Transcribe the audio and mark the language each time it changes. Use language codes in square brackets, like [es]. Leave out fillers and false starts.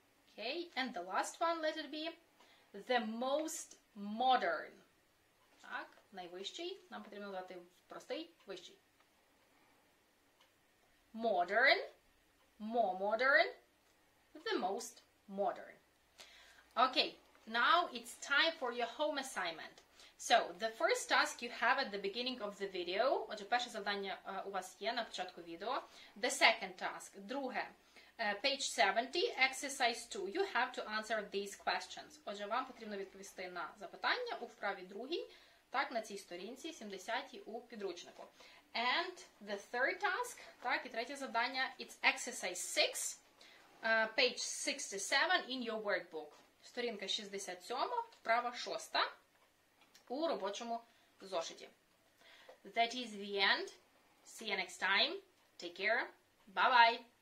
[en] Okay, and the last one, let it be. The most modern. [uk] Так, найвищий. Нам потрібно назвати простий, вищий. [en] Modern. More modern, the most modern. Okay, now it's time for your home assignment. So, the first task you have at the beginning of the video. [uk] Отже, перше завдання у вас є на початку відео. [en] The second task, [uk] друге, [en] page 70, exercise 2. You have to answer these questions. [uk] Отже, вам потрібно відповісти на запитання у вправі другій, так, на цій сторінці, 70-й у підручнику. [en] And the third task, [uk] так, і третє завдання, [en] it's exercise 6, page 67 in your workbook. [uk] Сторінка 67, вправа 6 у робочому зошиті. [en] That is the end. See you next time. Take care. Bye-bye.